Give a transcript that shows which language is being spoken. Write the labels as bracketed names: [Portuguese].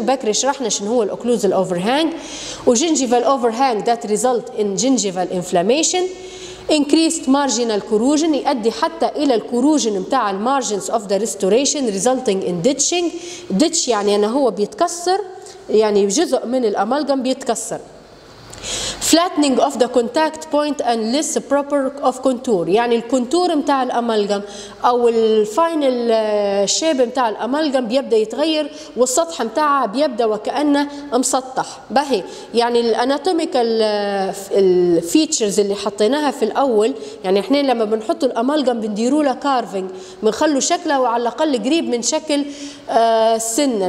[Arabic] بكري شرحنا شن هو الأكلوزال overhang و [English] gingival overhang that result in gingival inflammation. Increased marginal corrosion [Arabic] يؤدي حتى إلى الكروجن متاع المارجنز [English] of the restoration resulting in ditching. [Arabic] Ditch يعني أنه هو بيتكسر يعني جزء من الأمالجم بيتكسر. [English] flattening of the contact point and less proper of contour. [Arabic] يعني الكونتور متاع الأمالغم أو الفاينل شيب متاع الأمالغم بيبدأ يتغير والسطح متاعها بيبدأ وكأنه مسطح. بهي يعني الأناتوميكال الفيتشرز اللي حطيناها في الأول، يعني إحنا لما بنحط الأمالغم بنديروا له كارفينج، بنخلوا شكله وعلى الأقل قريب من شكل السنة.